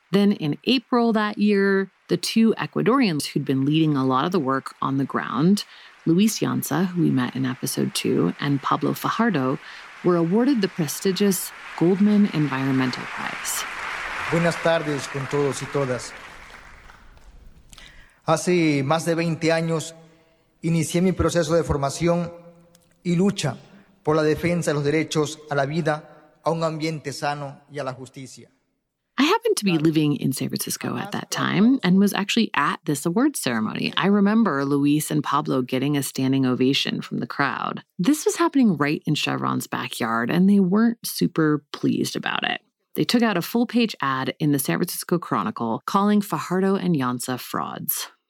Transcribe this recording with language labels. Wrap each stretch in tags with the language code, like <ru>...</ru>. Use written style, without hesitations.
<en>Then in April that year, the two Ecuadorians who'd been leading a lot of the work on the ground, Luis Llanza, who we met in episode 2, and Pablo Fajardo, were awarded the prestigious Goldman Environmental Prize.</en> <es>Buenas tardes con todos y todas. Hace más de 20 años, inicié mi proceso de formación y lucha por la defensa de los derechos a la vida, a un ambiente sano y a la justicia.</es> <en>I happened to be living in San Francisco at that time and was actually at this awards ceremony. I remember Luis and Pablo getting a standing ovation from the crowd. This was happening right in Chevron's backyard, and they weren't super pleased about it. They took out a full-page ad in the San Francisco Chronicle calling Fajardo and Llanza frauds.</en>